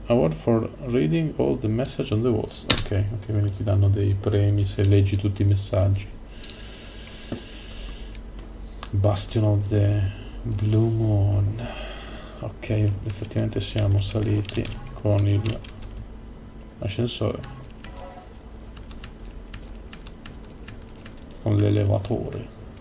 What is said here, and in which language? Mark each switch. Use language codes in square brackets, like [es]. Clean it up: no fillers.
[en] Award for reading all the message on the walls. [it] Ok, quindi ti danno dei premi se leggi tutti i messaggi. [en] Bastion of the Blue Moon. [it] Ok, effettivamente siamo saliti con l'ascensore. Con l'elevatore.